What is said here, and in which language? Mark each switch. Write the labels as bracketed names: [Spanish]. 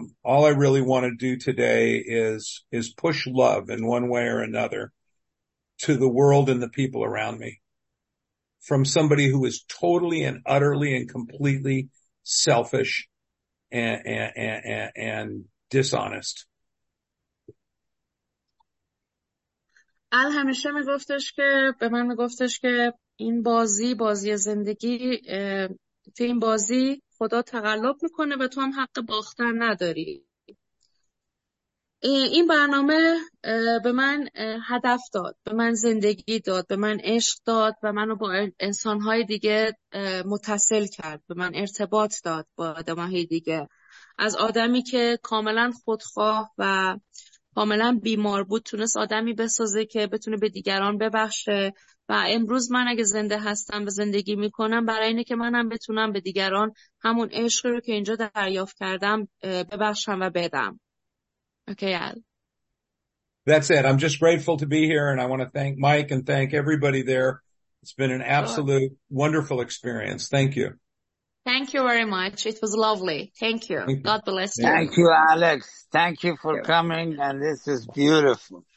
[English] All I really want to do today is push love in one way or another to the world and the people around me from somebody who is totally and utterly and completely selfish and dishonest. [Persian] آل همیشه میگفتش که به من میگفتش که این بازی بازی زندگی تو این بازی خدا تقلب میکنه و تو هم حق باختن نداری. این برنامه به من هدف داد، به من زندگی داد، به من عشق داد و منو با انسانهای دیگه متصل کرد، به من ارتباط داد با آدمهای دیگه. از آدمی که کاملا خودخواه و کاملا بیمار بود تونست آدمی بسازه که بتونه به دیگران ببخشه و امروز من اگه زنده هستم و زندگی میکنم برای اینه که منم بتونم به دیگران همون عشق رو که اینجا دریافت کردم ببخشم و بدم. [English] Okay. That's it. I'm just grateful to be here and I want to thank Mike and thank everybody there. It's been an absolute wonderful experience. Thank you. Thank you very much. It was lovely. Thank you. God bless you. Thank you, Alex. Thank you for coming. And this is beautiful.